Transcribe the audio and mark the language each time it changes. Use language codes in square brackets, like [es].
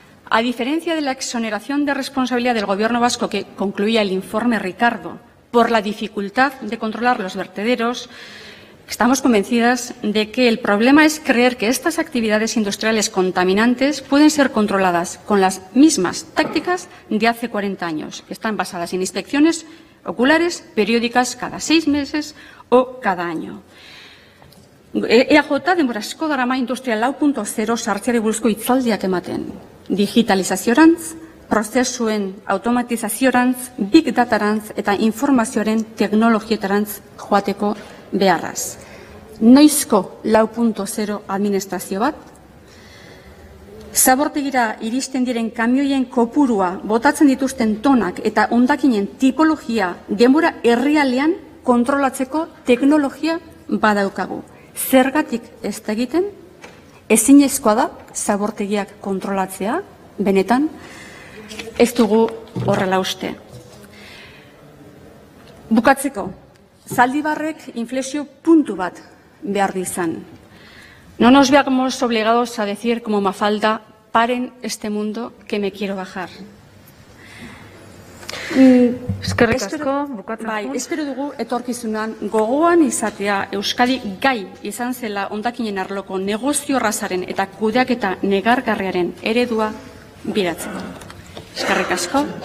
[es] A diferencia de la exoneración de responsabilidad del gobierno vasco que concluía el informe Ricardo por la dificultad de controlar los vertederos, estamos convencidas de que el problema es creer que estas actividades industriales contaminantes pueden ser controladas con las mismas tácticas de hace 40 años, que están basadas en inspecciones oculares periódicas cada 6 meses o cada año. [eu] EAJ denborazko darama industria 4.0 sartzeari buruzko hitzaldiak ematen. Digitalizaziorantz, prozesuen automatizaziorantz, big datarantz eta informazioaren teknologietarantz joateko beharraz. Noizko 4.0 administrazio bat? zabortegira iristen diren kamioien kopurua, botatzen dituzten tonak eta hondakinen tipologia denbora errealean kontrolatzeko teknologia badaukagu. Zergatik ez da egiten, ezinezkoa da zabortegiak kontrolatzea, benetan, ez dugu horrela uste. Bukatzeko, Zaldibarrek inflexio puntu bat behar dizan. [es] No nos veamos obligados a decir como Mafalda, paren este mundo que me quiero bajar. [eu] Eskerrik asko, bukatzen bai, espero dugu etorkizunan gogoan izatea Euskadi gai izan zela hondakinen arloko negozio razaren eta kudeaketa negargarriaren eredua biratzen. Eskerrik asko.